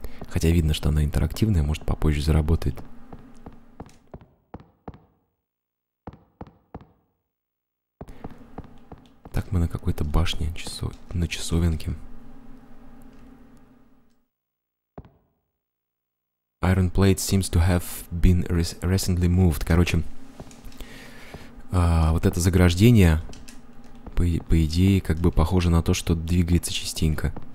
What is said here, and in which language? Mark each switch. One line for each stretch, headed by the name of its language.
Russian: Хотя видно, что она интерактивная, может попозже заработает. Так, мы на какой-то башне, на часовенке.
English: Iron plate seems to have been recently moved.
Russian: Короче, вот это заграждение, по идее, как бы похоже на то, что двигается частенько.